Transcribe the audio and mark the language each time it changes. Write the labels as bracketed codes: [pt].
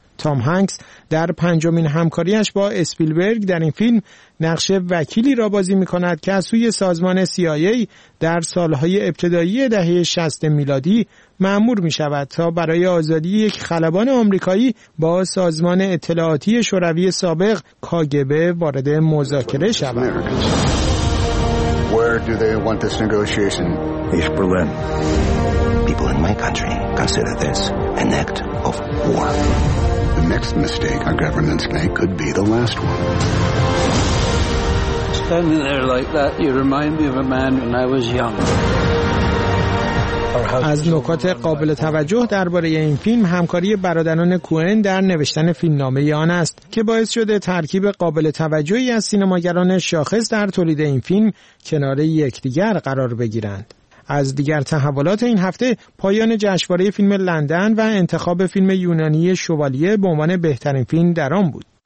[fa] تام هنکس در پنجمین همکاریش با اسپیلبرگ در این فیلم نقش وکیلی را بازی می کند که از سوی سازمان CIA در سالهای ابتدایی دهه 60 میلادی مأمور می شود تا برای آزادی یک خلبان آمریکایی با سازمان اطلاعاتی شوروی سابق KGB وارد مذاکره شود. [en] Where do they want this negotiation? East Berlin. People in my country consider this an act of war. The next mistake our governments make could be the last one. Standing there like that, you remind me of a man when I was young. [fa] از نکات قابل توجه درباره این فیلم همکاری برادران کوئن در نوشتن فیلمنامه آن است که باعث شده ترکیب قابل توجهی از سینماگران شاخص در تولید این فیلم کنار یکدیگر قرار بگیرند. از دیگر تحولات این هفته، پایان جشنواره فیلم لندن و انتخاب فیلم یونانی شوالیه به عنوان بهترین فیلم در آن بود.